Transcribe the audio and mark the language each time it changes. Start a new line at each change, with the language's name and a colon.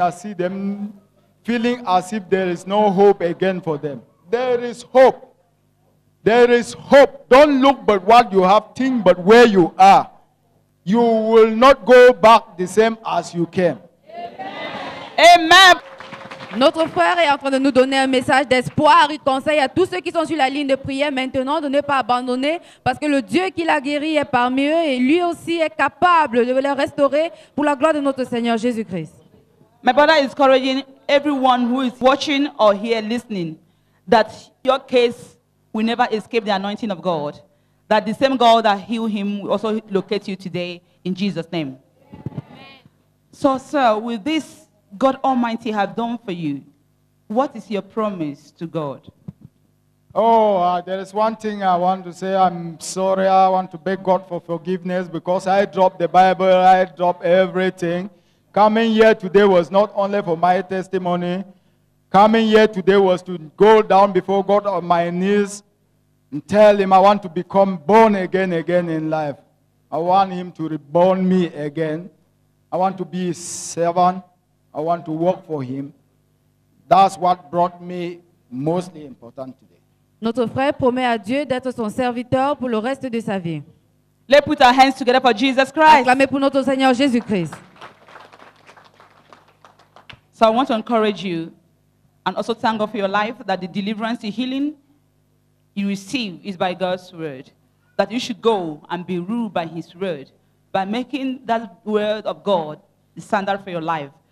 English: I see them feeling as if there is no hope again for them. There is hope. There is hope. Don't look but what you have, think but where you are. You will not go back the same as you came. Amen. Amen.
French: Notre frère est en train de nous donner un message d'espoir. Il conseille à tous ceux qui sont sur la ligne de prière maintenant de ne pas abandonner parce que le Dieu qui l'a guéri est parmi eux et lui aussi est capable de les restaurer pour la gloire de notre Seigneur Jésus-Christ.
English: My brother is encouraging everyone who is watching or here listening that your case will never escape the anointing of God. That the same God that healed him will also locate you today in Jesus' name. Amen. So, sir, with this God Almighty have done for you, what is your promise to God? There is one thing I want to say. I'm sorry. I want to beg God for forgiveness because I dropped the Bible. I dropped everything. Coming here today was not only for my testimony. Coming here today was to go down before God on my knees and tell him I want to become born again in life. I want him to reborn me again. I want to be his servant. I want to work for him. That's what brought me mostly important today.
French: Notre frère promet à Dieu d'être son serviteur pour le reste de sa vie.
English: Let's put our hands together for Jesus Christ.
French: Acclamez pour notre Seigneur Jésus-Christ.
English: So I want to encourage you and also thank God for your life that the deliverance, the healing you receive is by God's word. That you should go and be ruled by his word by making that word of God the standard for your life.